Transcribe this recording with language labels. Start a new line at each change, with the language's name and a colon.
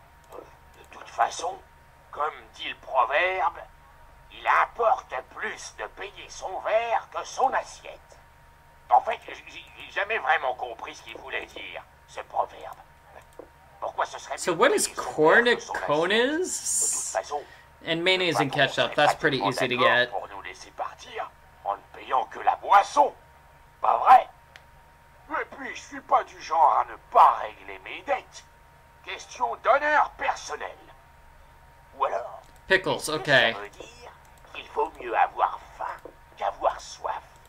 French: De toute façon, comme dit le proverbe, il importe plus de payer son verre que son assiette. En fait, j'ai jamais vraiment compris ce qu'il voulait dire, ce proverbe.
English: So what is cornicones? And mayonnaise and ketchup, that's pretty easy to get.
French: Pour nous laisser partir en ne payant que la boisson. Pas vrai? Et puis, je suis pas du genre à ne pas régler mes dettes. Question d'honneur personnel. Ou alors...
English: Pickles, okay.
French: Ça veut dire qu'il faut mieux avoir faim qu'avoir soif.